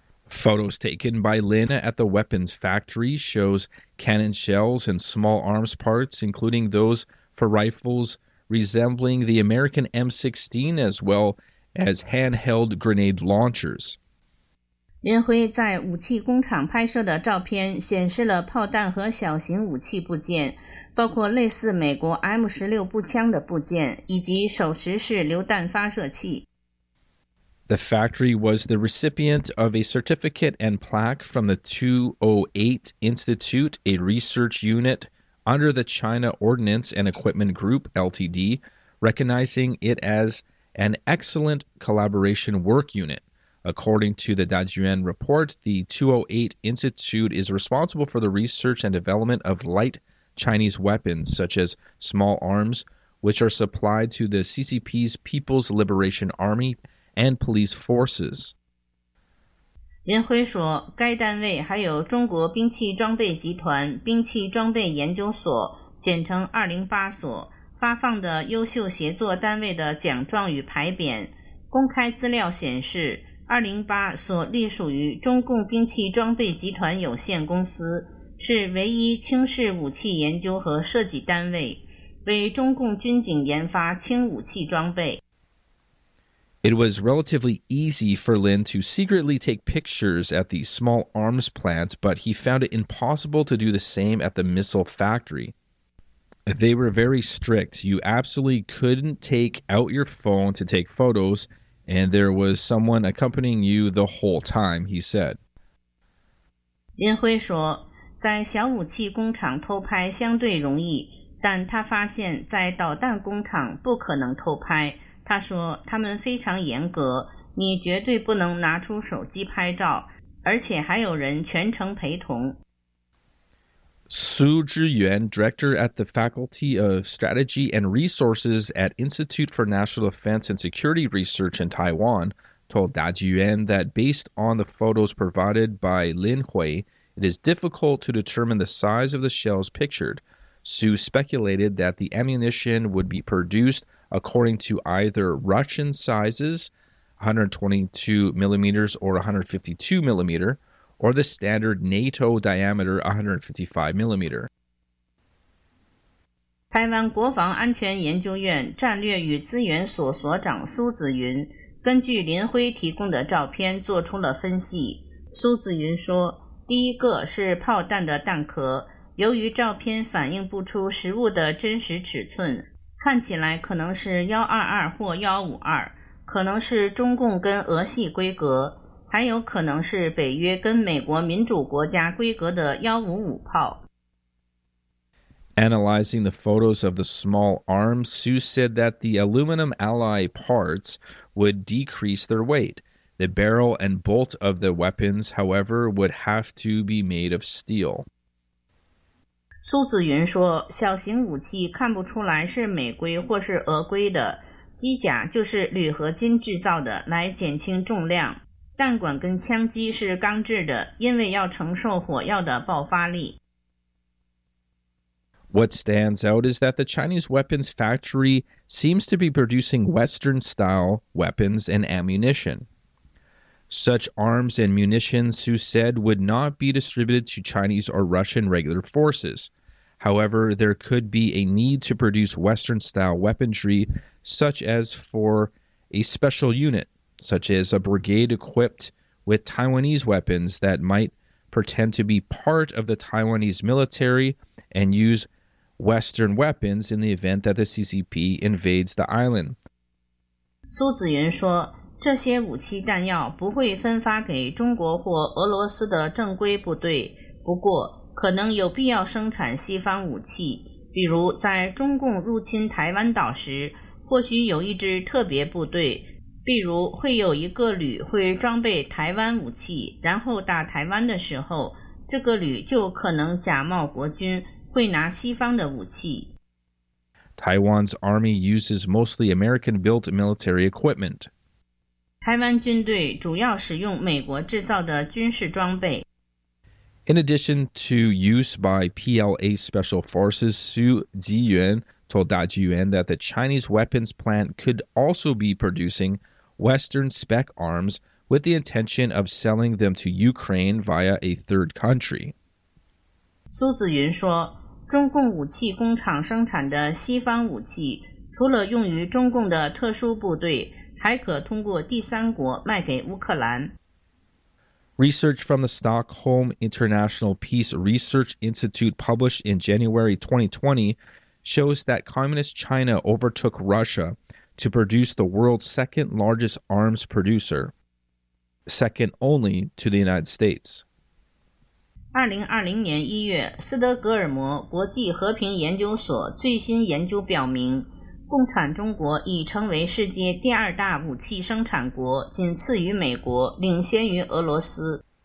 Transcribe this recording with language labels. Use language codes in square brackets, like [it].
[en] Photos taken by Lin at the weapons factory shows cannon shells and small arms parts, including those for rifles resembling the American M16 as well as handheld grenade launchers. [zh] 林辉在武器工厂拍摄的照片显示了炮弹和小型武器部件，包括类似美国 M16 步枪的部件，以及手持式榴弹发射器。 [en] The factory was the recipient of a certificate and plaque from the 208 Institute, a research unit under the China Ordnance and Equipment Group, LTD, recognizing it as an excellent collaboration work unit. According to the Dajuan report, the 208 Institute is responsible for the research and development of light Chinese weapons, such as small arms, which are supplied to the CCP's People's Liberation Army and police forces. [zh] 林辉说，该单位还有中国兵器装备集团兵器装备研究所，简称208所，发放的优秀协作单位的奖状与牌匾。公开资料显示，208所隶属于中共兵器装备集团有限公司，是唯一轻式武器研究和设计单位，为中共军警研发轻武器装备。 [en] It was relatively easy for Lin to secretly take pictures at the small arms plant, but he found it impossible to do the same at the missile factory. They were very strict. You absolutely couldn't take out your phone to take photos, and there was someone accompanying you the whole time, he said. [zh] Lin Hui 说，在小武器工厂偷拍相对容易，但他发现在导弹工厂不可能偷拍。他说他们非常严格，你绝对不能拿出手机拍照，而且还有人全程陪同。 [en] Su Zhiyuan, director at the Faculty of Strategy and Resources at Institute for National Defense and Security Research in Taiwan, told Da Jiyuan that based on the photos provided by Lin Hui, it is difficult to determine the size of the shells pictured. Su speculated that the ammunition would be produced according to either Russian sizes, 122mm or 152mm, or the standard NATO diameter 155mm. [zh] 台湾国防安全研究院战略与资源所所长苏子云根据林辉提供的照片做出了分析。苏子云说，第一个是炮弹的弹壳，由于照片反映不出实物的真实尺寸，看起来可能是122或152，可能是中共跟俄系规格，还有可能是北约跟美国民主国家规格的155炮。 [en] Analyzing the photos of the small arms, Su said that the aluminum alloy parts would decrease their weight. The barrel and bolt of the weapons, however, would have to be made of steel. [zh] 苏子云说，小型武器看不出来是美规或是俄规的，机甲就是铝合金制造的来减轻重量，弹管跟枪机是钢制的，因为要承受火药的爆发力。 [en] What stands out is that the Chinese weapons factory seems to be producing Western-style weapons and ammunition. Such arms and munitions, Su said, would not be distributed to Chinese or Russian regular forces. However, there could be a need to produce Western-style weaponry, such as for a special unit, such as a brigade equipped with Taiwanese weapons that might pretend to be part of the Taiwanese military and use Western weapons in the event that the CCP invades the island. [zh] 苏子云说，这些武器弹药不会分发给中国或俄罗斯的正规部队，不过可能有必要生产西方武器，比如在中共入侵台湾岛时，或许有一支特别部队，比如会有一个旅会装备台湾武器，然后打台湾的时候，这个旅就可能假冒国军，会拿西方的武器。 [en] Taiwan's army uses mostly American-built military equipment. [zh] 台湾军队主要使用美国制造的军事装备。 [en] In addition to use by PLA Special Forces, Su Jiyuan told Da Jiyuan that the Chinese weapons plant could also be producing Western spec arms with the intention of selling them to Ukraine via a third country. [zh] 苏子云说，中共武器工厂生产的西方武器，除了用于中共的特殊部队，还可通过第三国卖给乌克兰。 [en] Research from the Stockholm International Peace Research Institute published in January 2020 shows that Communist China overtook Russia to produce the world's second largest arms producer, second only to the United States. [zh] 2020年1月，斯德哥尔摩国际和平研究所最新研究表明，共产中国已成为世界第二大武器生产国，仅次于美国，领先于俄罗斯。